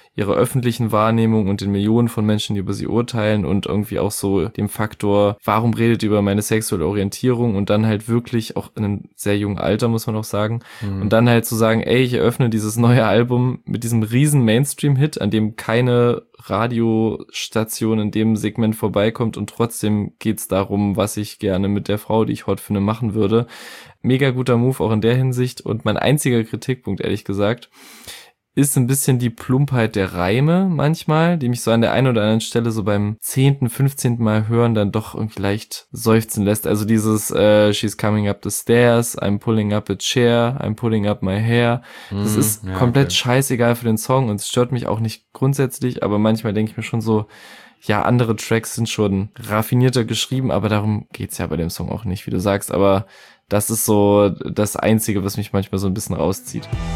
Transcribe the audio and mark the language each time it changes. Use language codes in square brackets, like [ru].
[de] ihrer öffentlichen Wahrnehmung und den Millionen von Menschen, die über sie urteilen und irgendwie auch so dem Faktor, warum redet ihr über meine sexuelle Orientierung und dann halt wirklich auch in einem sehr jungen Alter, muss man auch sagen, und dann halt zu sagen, ey, ich eröffne dieses neue Album mit diesem riesen Mainstream-Hit, an dem keine Radiostation in dem Segment vorbeikommt und trotzdem geht's darum, was ich gerne mit der Frau, die ich hot finde, machen würde. Mega guter Move auch in der Hinsicht und mein einziger Kritikpunkt, ehrlich gesagt, ist ein bisschen die Plumpheit der Reime manchmal, die mich so an der einen oder anderen Stelle so beim 10., 15. Mal hören dann doch irgendwie leicht seufzen lässt. Also dieses [en] she's coming up the stairs, I'm pulling up a chair, I'm pulling up my hair. [de] Das ist komplett scheißegal für den Song und es stört mich auch nicht grundsätzlich, aber manchmal denke ich mir schon so, ja, andere Tracks sind schon raffinierter geschrieben, aber darum geht's ja bei dem Song auch nicht, wie du sagst, aber das ist so das Einzige, was mich manchmal so ein bisschen rauszieht.